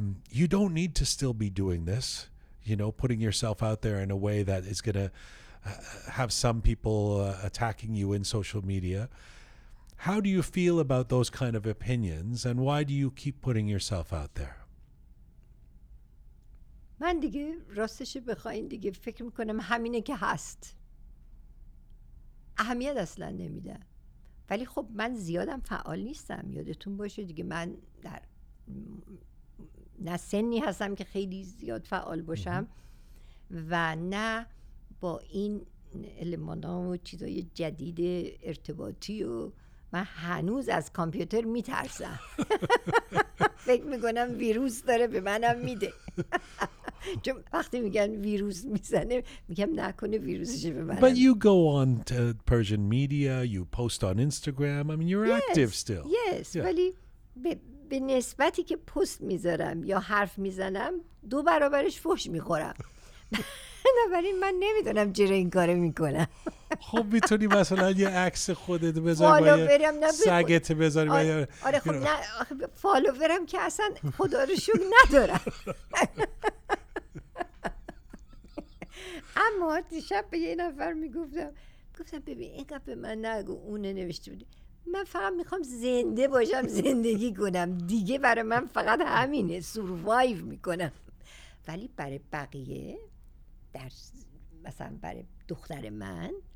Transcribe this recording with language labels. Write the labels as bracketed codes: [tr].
[en] You don't need to still be doing this, you know, putting yourself out there in a way that is going to have some people attacking you in social media. How do you feel about those kind of opinions, and why do you keep putting yourself out there? [fa] من دیگه راستش بخواین دیگه فکر میکنم همینه که هست اهمیت اصلا نمیدم ولی خب من زیادم فعال نیستم یادتون باشه دیگه من در نه سنی هستم که خیلی زیاد فعال باشم و نه با این المان ها و چیزای جدید ارتباطی و من هنوز از کامپیوتر میترسم فکر میکنم ویروس داره به منم میده چون وقتی میگن ویروس میزنه میگم نکنه ویروسش به منم [en] But you go on to Persian media, you post on Instagram, I mean you're active still. Yes, [fa] ولی به نسبتی که پست میذارم یا حرف میزنم دو برابرش فحش میخورم بنابراین من نمیدونم چرا این کاره میکنم خب میتونی مثلا یه عکس خودت بذاری سگت بذاری آره خب فالوورم که اصلا خدا رو شکر ندارم اما دیشب به یه نفر میگفتم گفتم ببین اینقدر به من نگو اونه نوشته بودی من فقط میخوام زنده باشم زندگی کنم دیگه برای من فقط همینه سوروایو میکنم ولی برای بقیه در مثلا برای دختر من